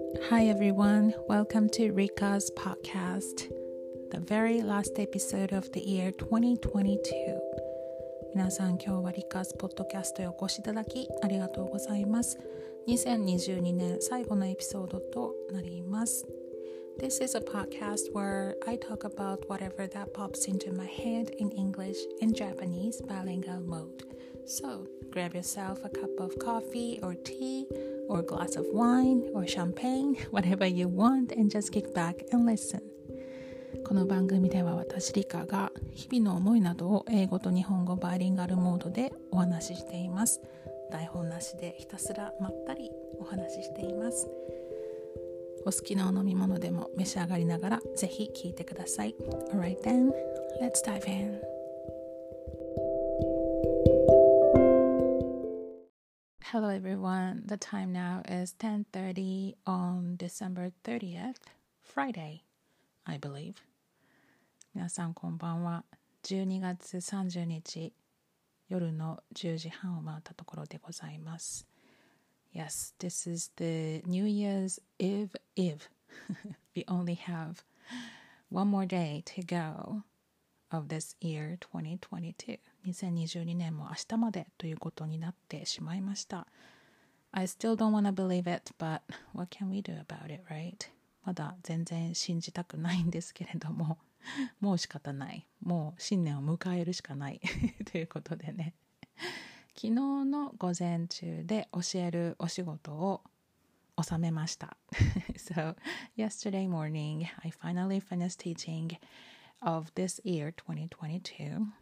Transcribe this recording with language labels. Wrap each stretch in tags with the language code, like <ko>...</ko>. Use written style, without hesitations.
<en>Hi everyone, welcome to Rika's podcast, the very last episode of the year 2022.</en> <ja>皆さん、今日はリカスポッドキャストへお越しいただきありがとうございます。 2022年最後のエピソードとなります。</ja> <en>This is a podcast where I talk about whatever that pops into my head in English and Japanese bilingual mode. So, grab yourself a cup of coffee or tea or a glass of wine or champagne, whatever you want, and just kick back and listen.</en> <ja>この番組では私リカが日々の思いなどを英語と日本語バイリンガルモードでお話ししています。台本なしでひたすらまったりお話ししています。お好きなお飲み物でも召し上がりながらぜひ聞いてください。</ja> <en>Alright then, let's dive in. Hello everyone, the time now is 10:30 on December 30th, Friday, I believe.</en> <ja>皆さんこんばんは。 12月30日夜の10時半を回ったところでございます。</ja> <en>Yes, this is the New Year's Eve Eve. We only have one more day to go of this year 2022.</en> <ja>2022年も明日までということになってしまいました。</ja> <en>I still don't want to believe it, but what can we do about it, right?</en> <ja>まだ全然信じたくないんですけれども、もう仕方ない、もう新年を迎えるしかないということでね、昨日の午前中で教えるお仕事を収めました</ja> <en>So yesterday morning I finally finished teaching of this year 2022.</en>